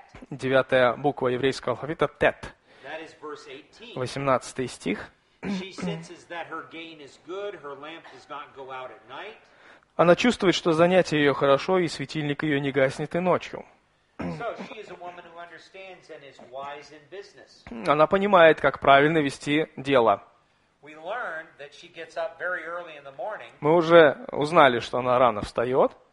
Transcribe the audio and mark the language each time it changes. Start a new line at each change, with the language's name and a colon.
Russian: Девятая буква еврейского алфавита – тет. 18 стих.
English: She senses that her gain is good, her lamp does not go out at night.
Russian: Она чувствует, что занятие ее хорошо, и светильник ее не гаснет и ночью. Она понимает, как правильно вести дело. Мы уже узнали, что она рано встает.